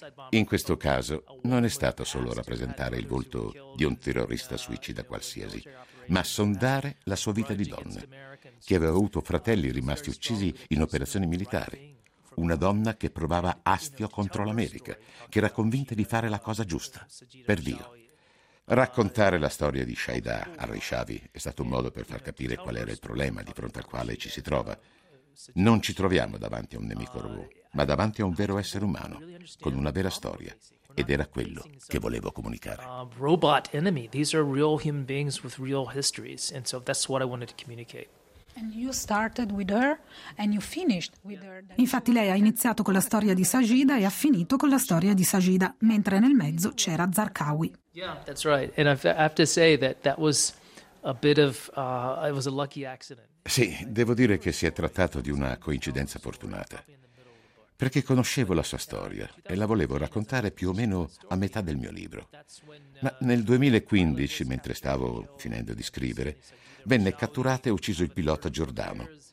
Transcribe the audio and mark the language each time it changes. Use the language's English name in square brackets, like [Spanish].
[Italian] In questo caso non è stato solo rappresentare il volto di un terrorista suicida qualsiasi, ma sondare la sua vita di donna, che aveva avuto fratelli rimasti uccisi in operazioni militari, una donna che provava astio contro l'America, che era convinta di fare la cosa giusta, per Dio. Raccontare la storia di Shahida al-Rishavi è stato un modo per far capire qual era il problema di fronte al quale ci si trova. Non ci troviamo davanti a un nemico robot, ma davanti a un vero essere umano, con una vera storia. Ed era quello che volevo comunicare. [English] Robot enemy. These are real human beings with real histories. And so that's what I wanted to communicate. And you started with her and you finished with her. [Italian] Infatti lei ha iniziato con la storia di Sajida e ha finito con la storia di Sajida, mentre nel mezzo c'era Zarqawi. [English] Yeah, that's right. And I have to say that was a bit of it was a lucky accident. [Italian] Sì, devo dire che si è trattato di una coincidenza fortunata. Perché conoscevo la sua storia e la volevo raccontare più o meno a metà del mio libro. Ma nel 2015, mentre stavo finendo di scrivere, venne catturato e ucciso il pilota Giordano.